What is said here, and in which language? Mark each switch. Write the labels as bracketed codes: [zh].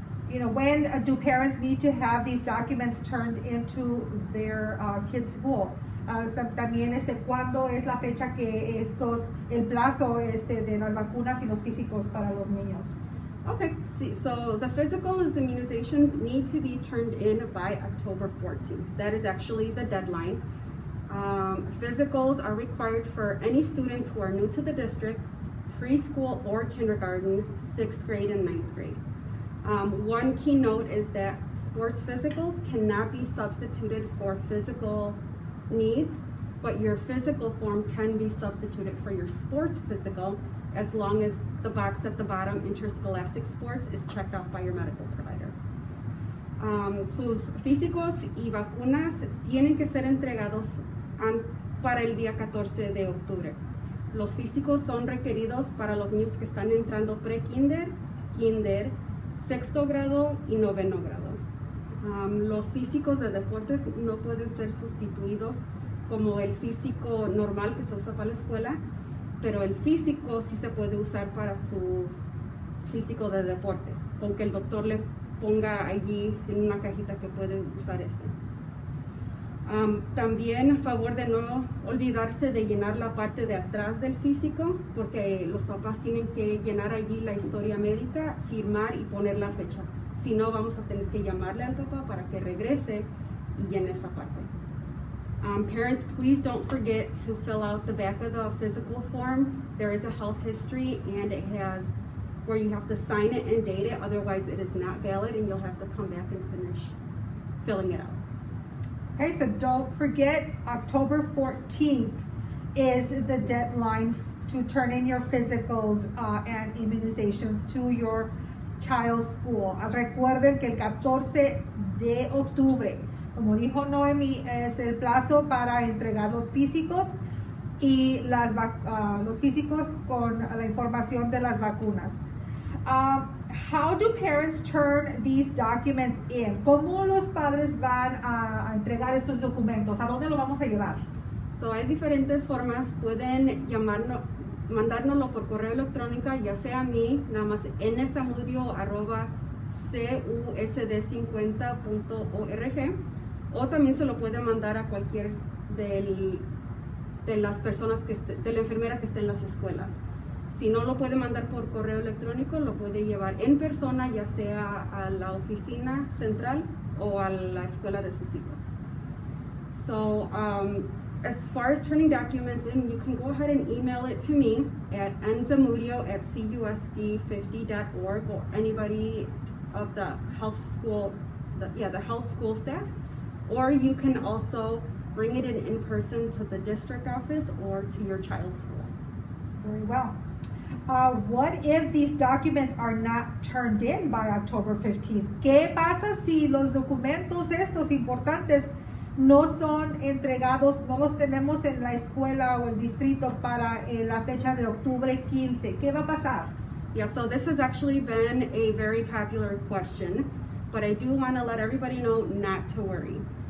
[en] You know, when do parents need to have these documents turned into their kids' school? [es] También, ¿cuándo es la fecha que estos, el plazo de las vacunas y los físicos para los niños? [en] Okay, see, so the physical and immunizations need to be turned in by October 14th. That is actually the deadline. Physicals are required for any students who are new to the district, preschool or kindergarten, sixth grade and ninth grade. One key note is that sports physicals cannot be substituted for physical needs, but your physical form can be substituted for your sports physical as long as the box at the bottom, interscholastic sports, is checked off by your medical provider. [es] Sus físicos y vacunas tienen que ser entregados para el día 14 de octubre. Los físicos son requeridos para los niños que están entrando pre-kinder, kinder, sexto grado y noveno grado. Los físicos de deportes no pueden ser sustituidos como el físico normal que se usa para la escuela, pero el físico sí se puede usar para su físico de deporte, con que el doctor le ponga allí en una cajita que puede usar ese. También a favor de no olvidarse de llenar la parte de atrás del físico, porque los papás tienen que llenar allí la historia médica, firmar y poner la fecha. Si no, vamos a tener que llamarle al papá para que regrese y llene esa parte. [en] Parents, please don't forget to fill out the back of the physical form. There is a health history and it has where you have to sign it and date it, otherwise it is not valid and you'll have to come back and finish filling it out. Okay, so don't forget, October 14th is the deadline to turn in your physicals and immunizations to your Child School. [es] Recuerden que el 14 de octubre, como dijo Noemi, es el plazo para entregar los físicos y las los físicos con la información de las vacunas. [en] How do parents turn these documents in? [es] ¿Cómo los padres van a entregar estos documentos? ¿A dónde lo vamos a llevar? So, hay diferentes formas. Pueden llamarnos, mandárnoslo por correo electrónico, ya sea a mí, nada más nsamudio@cusd50.org, o también se lo puede mandar a cualquier de las personas que esté, de la enfermera que esté en las escuelas. Si no lo puede mandar por correo electrónico, lo puede llevar en persona, ya sea a la oficina central o a la escuela de sus hijos. [en] So, as far as turning documents in, you can go ahead and email it to me at nzamudio@cusd50.org, or anybody of the health school, the health school staff, or you can also bring it in person to the district office or to your child's school. Very well. What if these documents are not turned in by October 15th? [es] ¿Qué pasa si los documentos estos importantes no son entregados, no los tenemos en la escuela o el distrito para la fecha de octubre 15? ¿Qué va a pasar? [en] Yeah, so this has actually been a very popular question, but I do want to let everybody know not to worry.